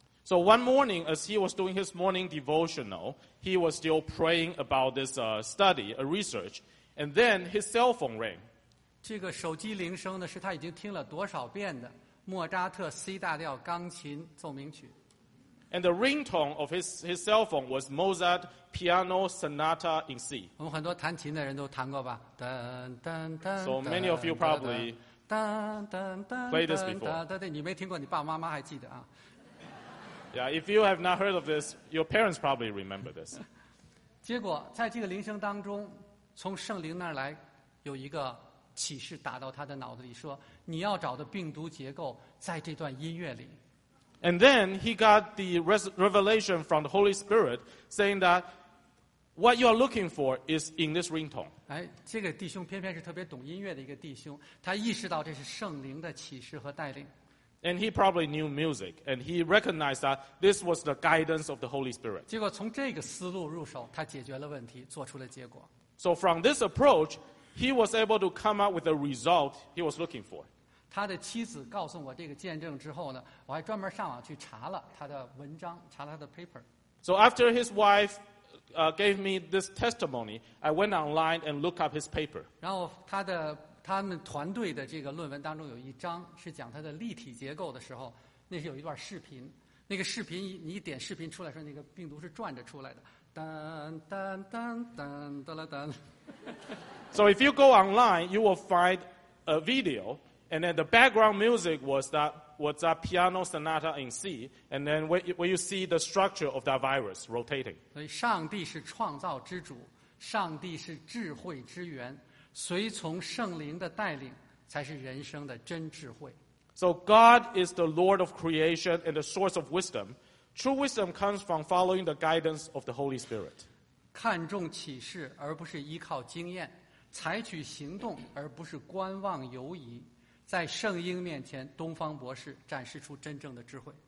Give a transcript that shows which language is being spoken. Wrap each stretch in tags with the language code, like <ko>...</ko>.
<en>So one morning, as he was doing his morning devotional, he was still praying about this study, a research, and then his cell phone rang.</en> <zh>这个手机铃声呢，是他已经听了多少遍的莫扎特 C 大调钢琴奏鸣曲。</zh> <en>And the ringtone of his cell phone was Mozart Piano Sonata in C.</en> <zh>我们很多弹琴的人都弹过吧？噔噔噔。</zh> <en>So many of you probably played this before.</en> <zh>对对，你没听过，你爸爸妈妈还记得啊</zh> <en>？Yeah, if you have not heard of this, your parents probably remember this.</en> <zh>结果在这个铃声当中，从圣灵那儿来有一个启示打到他的脑子里，说你要找的病毒结构在这段音乐里。</zh> <en>And then he got the revelation from the Holy Spirit saying that what you are looking for is in this ringtone.</en> <zh>哎，这个弟兄偏偏是特别懂音乐的一个弟兄，他意识到这是圣灵的启示和带领。</zh> <en>And he probably knew music, and he recognized that this was the guidance of the Holy Spirit.</en> <zh>结果从这个思路入手，他解决了问题，做出了结果。</zh> <en>So from this approach, he was able to come up with the result he was looking for.</en> <zh>他的妻子告诉我这个见证之后呢，我还专门上网去查了他的文章，查了他的 paper。</zh> <en>So after his wife gave me this testimony, I went online and looked up his paper.</en> <zh>然后他们团队的这个论文当中有一章是讲他的立体结构的时候，那是有一段视频，那个视频你一点视频出来说那个病毒是转着出来的，噔噔噔噔噔噔噔。</zh> <en>So if you go online, you will find a video. And then the background music was that piano sonata in C. And then when you see the structure of that virus rotating.</en> <zh>所以上帝是创造之主，上帝是智慧之源，随从圣灵的带领才是人生的真智慧。</zh> <en>So God is the Lord of creation and the source of wisdom. True wisdom comes from following the guidance of the Holy Spirit.</en> <zh>看重启示而不是依靠经验，采取行动而不是观望犹疑。在圣婴面前，东方博士展示出真正的智慧。</zh>